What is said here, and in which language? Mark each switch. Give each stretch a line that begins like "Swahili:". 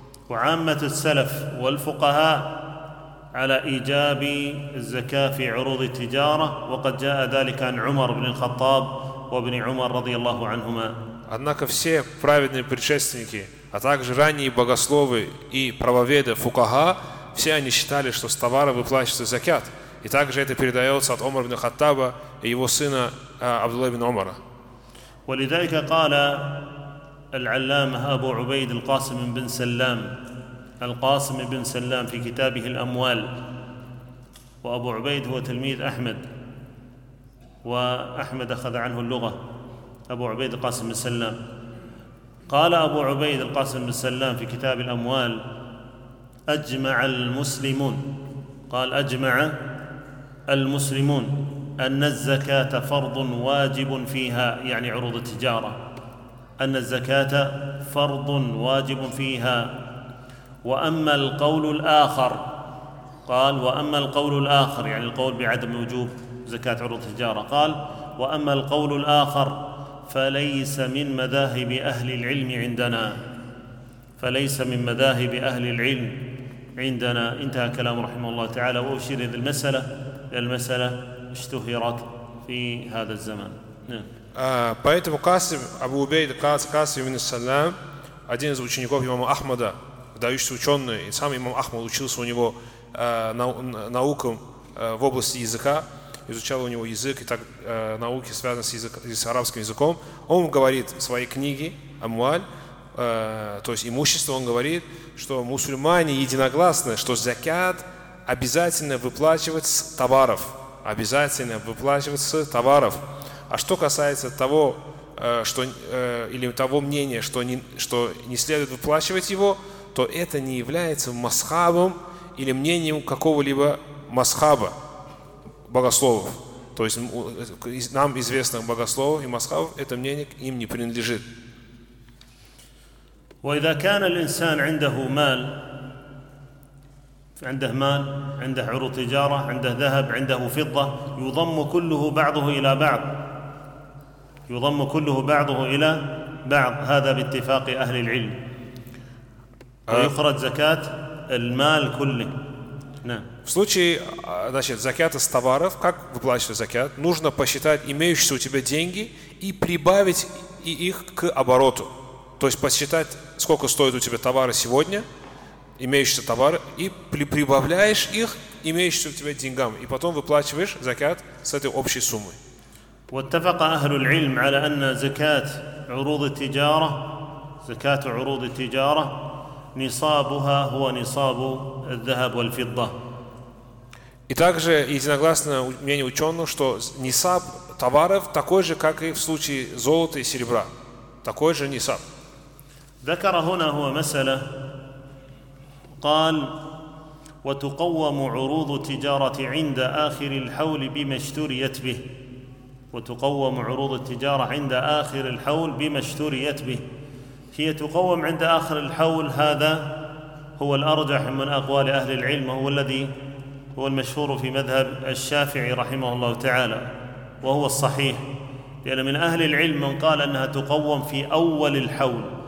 Arabic: وعامة السلف والفقهاء على إيجاب الزكاة في عروض التجارة، وقد جاء ذلك عن عمر بن الخطاب وابن عمر رضي الله عنهما.
Russian: Однако все праведные предшественники, а также ранние богословы и правоведы, фукаха, все они считали, что с товара выплачивается закят. И также это передается от Умара бин Хаттаба и его сына Абдулла бин Умара.
Arabic: ولذلك قال العلامة أبو عبيد القاسم بن سلام، القاسم بن سلام في كتابه الأموال، وأبو عبيد هو تلميذ أحمد، وأحمد أخذ عنه اللغة، أبو عبيد القاسم بن سلام، قال أبو عبيد القاسم بن سلام في كتاب الأموال: أجمع المسلمون، قال أجمع المسلمون أن الزكاة فرض واجب فيها، يعني عروض التجارة، أن الزكاة فرض واجب فيها. وأما القول الآخر، قال وأما القول الآخر، يعني القول بعدم وجوب زكاة عروض التجارة، قال وأما القول الآخر فليس من مذاهب أهل العلم عندنا، فليس من مذاهب أهل العلم عندنا. انتهى كلامه رحمه الله تعالى. وأشير إلى المسألة، المسألة اشتهرت في هذا الزمان.
Russian: Поэтому Касим Абу Убейд, Касим ибн Салям, один из учеников имама Ахмада, выдающийся ученый, и сам имам Ахмад учился у него наукам в области языка, изучал у него язык и так науки, связанные с арабским языком. Он говорит в своей книге «Амуаль», то есть имущество, он говорит, что мусульмане единогласны, что закят обязательно выплачивать с товаров. Обязательно выплачивать с товаров. А что касается того, что, или того мнения, что не следует выплачивать его, то то это не является масхабом или мнением какого-либо масхаба, богословов. То есть нам известных богословов и масхабов это мнение им не принадлежит.
Arabic: وإذا كان الإنسان عنده مال عنده مال عنده عروض تجارة عنده ذهب عنده فضة يضم كله بعضه إلى بعض يضم كله بعضه إلى بعض هذا باتفاق أهل العلم ويخرج زكاة المال كله.
Russian: В случае, значит, закята с товаров, как выплачивать закят, нужно посчитать имеющиеся у тебя деньги и прибавить их к обороту. То есть посчитать, сколько стоят у тебя товары сегодня, имеющиеся товары, и прибавляешь их имеющиеся у тебя деньгам. И потом выплачиваешь закят с этой общей суммы.
Arabic: واتفق أهل العلم على أن زكاة عروض التجارة زكاة عروض التجارة نصابها هو نصاب الذهب والفضة.
Russian: И также единогласно мнение ученых, что нисаб товаров такой же, как и в случае золота и серебра. Такой же нисаб.
Arabic: ذكر هنا هو مسألة قال وتقوم عروض التجارة عند آخر الحول بما اشتريت به وتقوم عروض التجارة عند آخر الحول بما اشتريت به هي تقوم عند آخر الحول هذا هو الأرجح من أقوال أهل العلم هو الذي هو المشهور في مذهب الشافعي رحمه الله تعالى وهو الصحيح لأن من أهل العلم من قال أنها تقوم في أول الحول